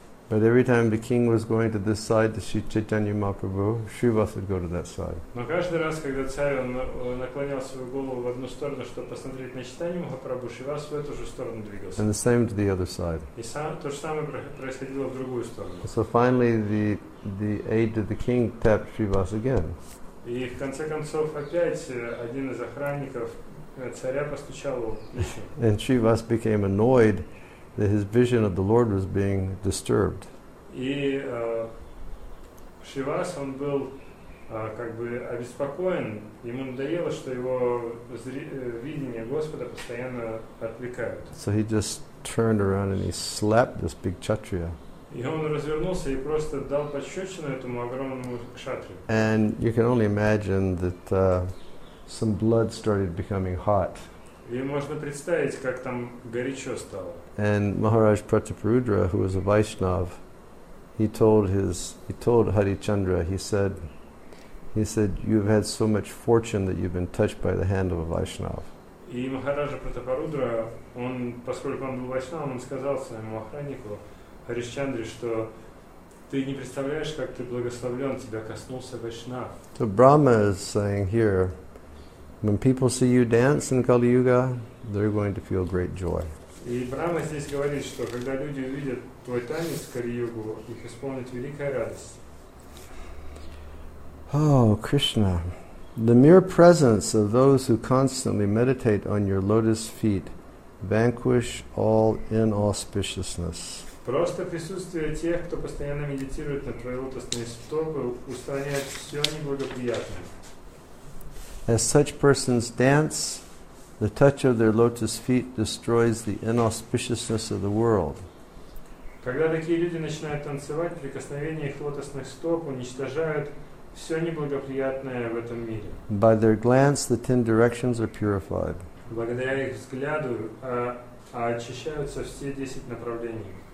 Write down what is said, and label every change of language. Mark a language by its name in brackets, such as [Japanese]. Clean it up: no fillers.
[English] But every time the king was going to this side to see Chaitanya Mahaprabhu, Shrivas would go to that side. [Russian] Но каждый раз, когда царь наклонял свою голову в одну сторону, чтобы посмотреть на Чайтанью Махапрабху, Шривас в эту же сторону двигался. [English] And the same to the other side. [Russian] И то же самое происходило в другую сторону. [English] So finally the aide of the king tapped Shrivas again. [Russian] И в конце концов опять один из охранников царя постучал его. [English] And Shrivas became annoyed that his vision of the Lord was being disturbed. [Russian] И Шривас, он был как бы обеспокоен, ему надоело, что его видение Господа постоянно отвлекают. [English] So he just turned around and he slapped this big kshatriya. [Russian] И он развернулся и просто дал пощечину этому огромному кшатрию. [English] And you can only imagine that some blood started becoming hot. [Russian] И можно представить, как там горячо стало. [English] And Maharaj Pratiparudra, who was a Vaishnav, he told Harichandra, he said, you've had so much fortune that you've been touched by the hand of a Vaishnav. [Russian] И Махараджа Пратапарудра, он, поскольку он был Вайшнав, он сказал своему охраннику Харишчандре, что ты не представляешь, как ты благословлен, тебя коснулся Вайшнав. [English] So Brahma is saying here, when people see you dance in Kali Yuga, they're going to feel great joy. [Russian] И Брама здесь говорит, что когда люди увидят твой танец в Кали-Югу, их исполнит великая радость. [English] Oh, Krishna, the mere presence of those who constantly meditate on your lotus feet vanquish all inauspiciousness. [Russian] Просто присутствие тех, кто постоянно медитирует на твои лотосные стопы, устраняет все неблагоприятное. [English] As such persons dance, the touch of their lotus feet destroys the inauspiciousness of the world. [Russian] Когда такие люди начинают танцевать, прикосновение их лотосных стоп уничтожает все неблагоприятное в этом мире. [English] By their glance, the ten directions are purified. [Russian] Благодаря их взгляду очищаются все 10 направлений.